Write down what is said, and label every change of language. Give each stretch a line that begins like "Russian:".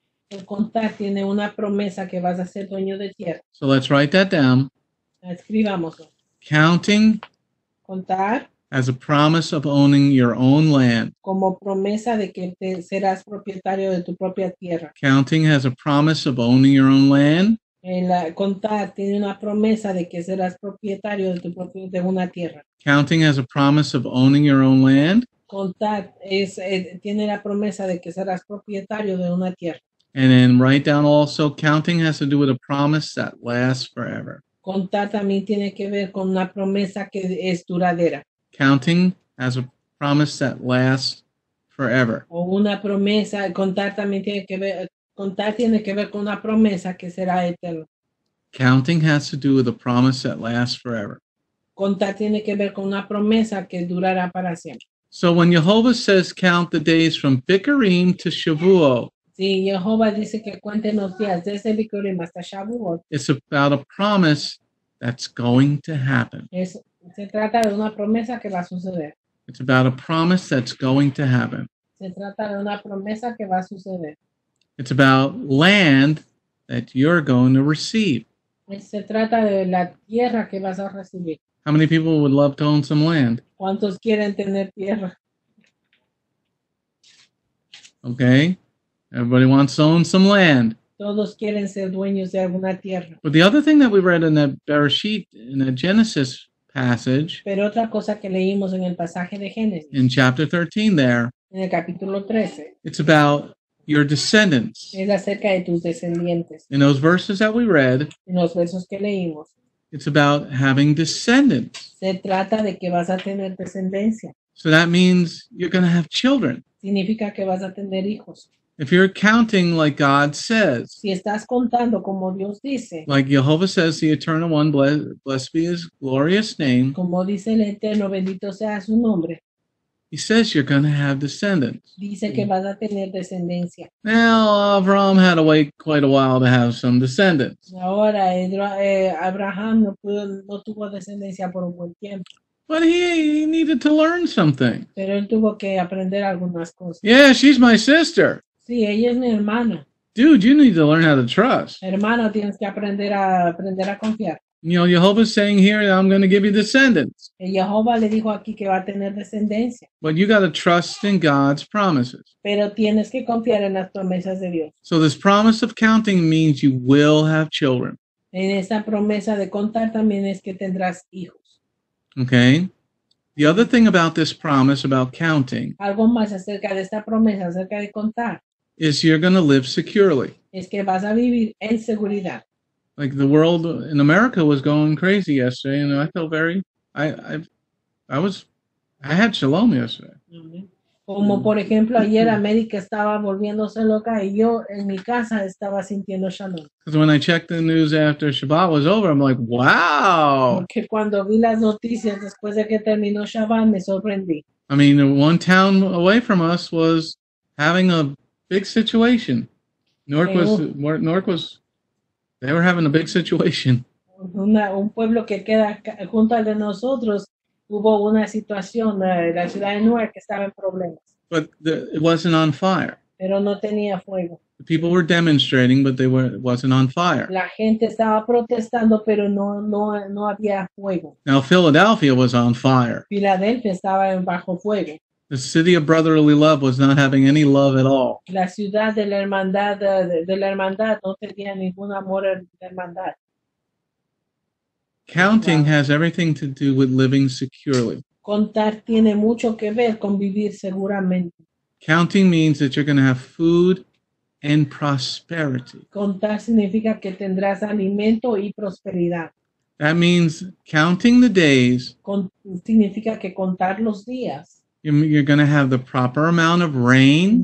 Spanish: El contar tiene una promesa que vas a ser dueño de tierra.
English: So let's write that down.
Spanish: Escribámoslo.
English: Counting.
Spanish: Contar.
English: As a promise of owning your own land.
Spanish: Como promesa de que te serás propietario de tu propia tierra.
English: Counting has a promise of owning your own land.
Spanish: Contar tiene una promesa de que serás propietario de tu propio, de una tierra.
English: Counting has a promise of owning your own land.
Spanish: Contar tiene la promesa de que serás propietario de una tierra.
English: And then write down also, counting has to do with a promise that lasts forever.
Spanish: Contar también tiene que ver con una promesa que es duradera.
English: Counting as a promise that lasts forever.
Spanish: O una promesa, contar también tiene que ver, Contar tiene que ver con una promesa que será eterna.
English: Counting has to do with a promise that lasts forever.
Spanish: Contar tiene que ver con una promesa que durará para siempre.
English: So when Jehovah says count the days from Bikurim to Shavuot,
Spanish: sí, Jehovah dice que cuenten los días desde Bikurim hasta Shavuot.
English: It's about a promise that's going to happen.
Spanish: Es, se trata de una promesa que va a suceder.
English: It's about a promise that's going to happen.
Spanish: Se trata de una promesa que va a suceder.
English: It's about land that you're going to receive.
Spanish: Se trata de la tierra que vas a recibir.
English: How many people would love to own some land?
Spanish: ¿Cuántos quieren tener tierra?
English: Okay. Everybody wants to own some land.
Spanish: Todos quieren ser dueños de alguna tierra.
English: But the other thing that we read in that Bereshit, in the Genesis passage,
Spanish: pero otra cosa que leímos en el pasaje de Génesis,
English: in chapter 13 there,
Spanish: en el capítulo 13,
English: it's about your descendants.
Spanish: Es acerca de tus descendientes.
English: In those verses that we read,
Spanish: en los versos que leímos,
English: it's about having descendants.
Spanish: Se trata de que vas a tener descendencia.
English: So that means you're going to have children.
Spanish: Significa que vas a tener hijos.
English: If you're counting like God says,
Spanish: si estás contando como Dios dice,
English: like Jehovah says, the Eternal One, blessed be His glorious name.
Spanish: Como dice el Eterno, bendito sea su nombre.
English: He says you're going to have descendants.
Spanish: Dice que vas a tener descendencia.
English: Now, Abraham had to wait quite a while to have some descendants.
Spanish: Ahora, Abraham no pudo, no tuvo descendencia por un buen tiempo.
English: But he needed to learn something.
Spanish: Pero él tuvo que aprender algunas cosas.
English: Yeah, she's my sister.
Spanish: Sí, ella es mi hermana.
English: Dude, you need to learn how to trust.
Spanish: Hermano, tienes que aprender a, aprender a confiar.
English: You know, Jehovah's saying here that I'm going to give you descendants.
Spanish: Jehovah le dijo aquí que va a tener descendencia.
English: But you got to trust in God's promises.
Spanish: Pero tienes que confiar en las promesas de Dios.
English: So this promise of counting means you will have children.
Spanish: En esa promesa de contar también es que tendrás hijos.
English: Okay. The other thing about this promise about counting.
Spanish: Algo más acerca de esta promesa acerca de contar.
English: Is you're going to live securely.
Spanish: Es que vas a vivir en seguridad.
English: Like the world in America was going crazy yesterday, and I felt very, I had shalom yesterday.
Spanish: Como por ejemplo ayer América estaba volviéndose loca y yo en mi casa estaba sintiendo shalom.
English: Because when I checked the news after Shabbat was over, I'm like, wow.
Spanish: Porque cuando vi las noticias después de que terminó Shabbat me sorprendí.
English: I mean, one town away from us was having a big situation. Newark was. They were having a big situation.
Spanish: Un pueblo que queda junto al de nosotros hubo una situación en la ciudad de Nueva que estaba en problemas.
English: But it wasn't on fire.
Spanish: Pero no tenía fuego.
English: The people were demonstrating, but it wasn't on fire.
Spanish: La gente estaba protestando, pero no había fuego.
English: Now Philadelphia was on fire.
Spanish: Filadelfia estaba bajo fuego.
English: The city of brotherly love was not having any love at all.
Spanish: La ciudad de la hermandad de la hermandad no tenía ningún amor de hermandad.
English: Counting has everything to do with living securely.
Spanish: Contar tiene mucho que ver con vivir seguramente.
English: Counting means that you're going to have food and prosperity.
Spanish: Contar significa que tendrás alimento y prosperidad.
English: That means counting the days.
Spanish: Significa que contar los días.
English: You're going to have the proper amount of rain.